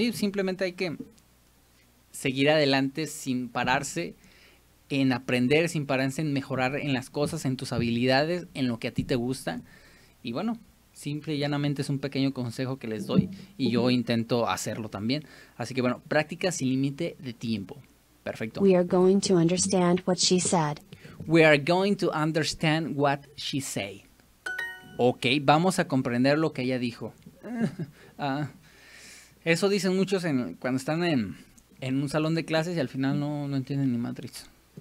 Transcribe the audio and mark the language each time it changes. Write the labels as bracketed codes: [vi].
[es] Y sí, simplemente hay que seguir adelante sin pararse. En aprender, sin pararse, en mejorar en las cosas, en tus habilidades, en lo que a ti te gusta. Y bueno, simple y llanamente es un pequeño consejo que les doy y yo intento hacerlo también. Así que bueno, práctica sin límite de tiempo. Perfecto. [en] We are going to understand what she said. We are going to understand what she said. [es] Ok, vamos a comprender lo que ella dijo. Eso dicen muchos cuando están en un salón de clases y al final no entienden ni Matrix.